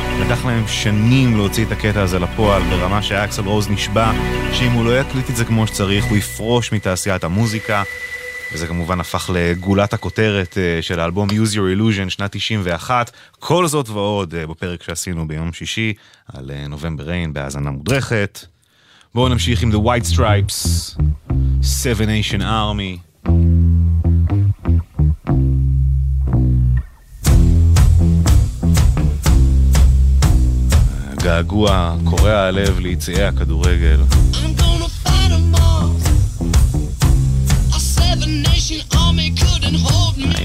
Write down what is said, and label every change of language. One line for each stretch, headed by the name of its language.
Hebrew: לקח להם שנים להוציא את הקטע הזה לפועל, ברמה שאקסל רוז נשבע שאם הוא לא יקליט את זה כמו שצריך, הוא יפרוש מתעשיית המוזיקה, וזה כמובן הפך לגולת הכותרת של האלבום Use Your Illusion שנת 91. כל זאת ועוד בפרק שעשינו ביום שישי על November Rain בהזנה מודרכת. בואו נמשיך עם The White Stripes, Seven Nation Army. געגוע קורע הלב ליציעי הכדורגל.
English: I'm gonna fight them all. A Seven Nation Army couldn't hold me.